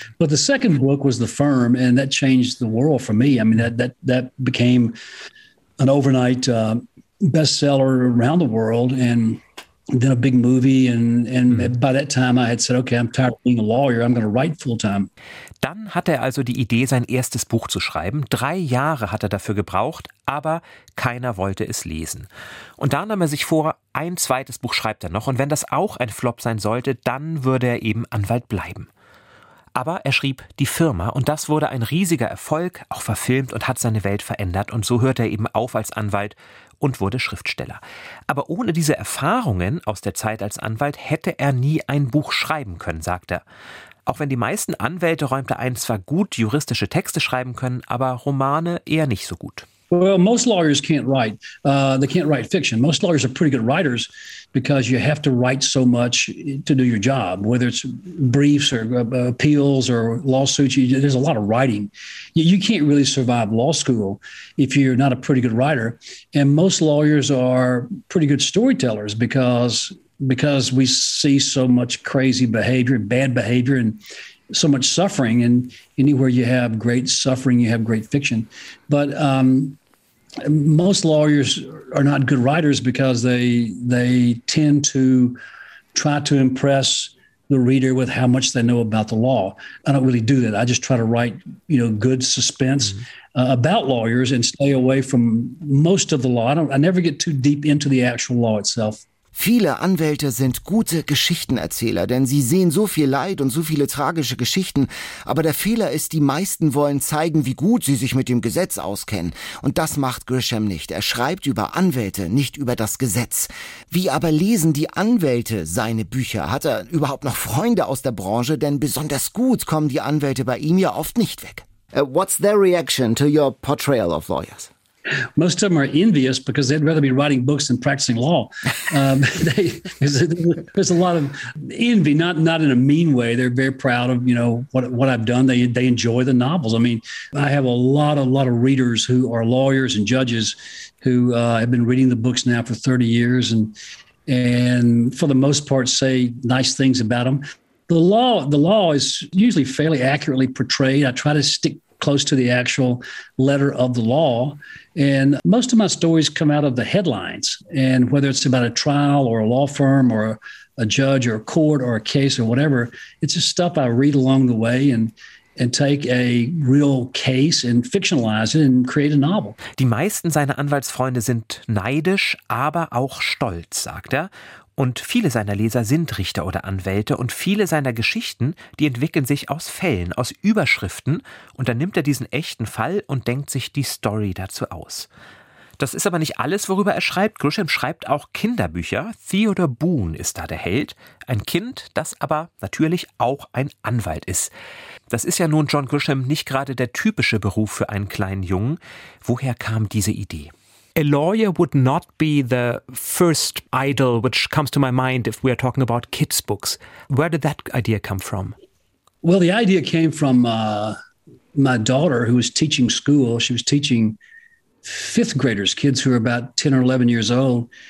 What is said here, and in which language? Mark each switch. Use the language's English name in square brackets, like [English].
[English] But the second book was The Firm, and that changed the world for me. I mean, that became an overnight bestseller around the world, and then a big movie. And by that time, I had said, okay, I'm tired of being a lawyer. I'm going to write full time. [German] Dann hatte er also die Idee, sein erstes Buch zu schreiben. 3 Jahre hat er dafür gebraucht, aber keiner wollte es lesen. Und da nahm er sich vor, ein zweites Buch schreibt er noch. Und wenn das auch ein Flop sein sollte, dann würde er eben Anwalt bleiben. Aber er schrieb Die Firma und das wurde ein riesiger Erfolg, auch verfilmt und hat seine Welt verändert. Und so hörte er eben auf als Anwalt und wurde Schriftsteller. Aber ohne diese Erfahrungen aus der Zeit als Anwalt hätte er nie ein Buch schreiben können, sagt er. Auch wenn die meisten Anwälte, räumte ein, zwar gut juristische Texte schreiben können, aber Romane eher nicht so gut. [English] Well, most lawyers can't write. They can't write fiction. Most lawyers are pretty good writers because you have to write so much to do your job, whether it's briefs or appeals or lawsuits. There's a lot of writing. You can't really survive law school if you're not a pretty good writer. And most lawyers are pretty good storytellers because we see so much crazy behavior, bad behavior, and so much suffering. And anywhere you have great suffering, you have great fiction. But most lawyers are not good writers because they tend to try to impress the reader with how much they know about the law. I don't really do that. I just try to write, you know, good suspense about lawyers and stay away from most of the law. I never get too deep into the actual law itself. [German] Viele Anwälte sind gute Geschichtenerzähler, denn sie sehen so viel Leid und so viele tragische Geschichten. Aber der Fehler ist, die meisten wollen zeigen, wie gut sie sich mit dem Gesetz auskennen. Und das macht Grisham nicht. Er schreibt über Anwälte, nicht über das Gesetz. Wie aber lesen die Anwälte seine Bücher? Hat er überhaupt noch Freunde aus der Branche? Denn besonders gut kommen die Anwälte bei ihm ja oft nicht weg. [English] What's their reaction to your portrayal of lawyers? Most of them are envious because they'd rather be writing books than practicing law. There's a lot of envy, not in a mean way. They're very proud of, you know, what I've done. They enjoy the novels. I mean, I have a lot of readers who are lawyers and judges who have been reading the books now for 30 years and for the most part say nice things about them. The law is usually fairly accurately portrayed. I try to stick close to the actual letter of the law. And most of my stories come out of the headlines. And whether it's about a trial or a law firm or a judge or a court or a case or whatever, it's just stuff I read along the way and take a real case and fictionalize it and create a novel. [German] Die meisten seiner Anwaltsfreunde sind neidisch, aber auch stolz, sagt er. Und viele seiner Leser sind Richter oder Anwälte und viele seiner Geschichten, die entwickeln sich aus Fällen, aus Überschriften und dann nimmt er diesen echten Fall und denkt sich die Story dazu aus. Das ist aber nicht alles, worüber er schreibt. Grisham schreibt auch Kinderbücher. Theodore Boone ist da der Held, ein Kind, das aber natürlich auch ein Anwalt ist. Das ist ja nun John Grisham nicht gerade der typische Beruf für einen kleinen Jungen. Woher kam diese Idee? [English] A lawyer would not be the first idol which comes to my mind if we are talking about kids' books. Where did that idea come from? Well, the idea came from my daughter who was teaching school. She was teaching fifth graders, kids who are about 10 or 11 years old.